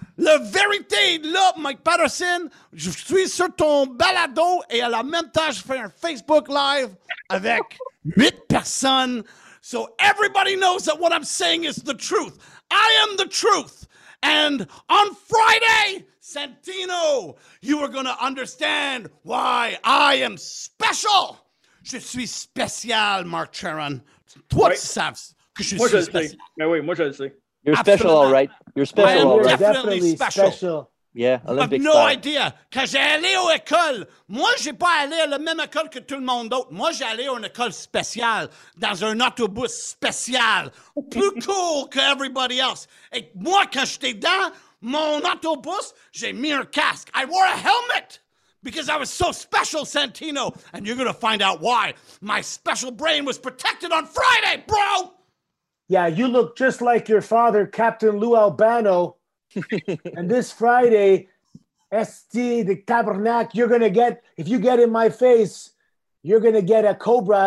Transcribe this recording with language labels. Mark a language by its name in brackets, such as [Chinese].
[French] La vérité, là, Mike Patterson, je suis sur ton balado et à la même temps, je fais un Facebook Live avec 8 personnes. [English] So everybody knows that what I'm saying is the truth. I am the truth. And on Friday, Santino, you are going to understand why I am special. [French] Je suis spécial, Mark Charon. Toi, tu savais que je suis spécial. Oui, moi, je le sais. [English] You're special, absolutely. All right. You're special, all right. Definitely special. Yeah, Olympic style. No idea. [French] Quand j'ai allé à l'école, moi, j'ai pas allé à la même école que tout le monde d'autre. Moi, j'ai allé à une école spéciale, dans un autobus spécial, plus cool que [English] everybody else. [French] Et moi, quand j'étais dans mon autobus, j'ai mis un casque. [English] I wore a helmet because I was so special, Santino. And you're going to find out why. My special brain was protected on Friday, bro! Yeah, you look just like your father, Captain Lou Albano. And this Friday, ST, the Tabernac, you're going to get, if you get in my face, you're going to get a cobra.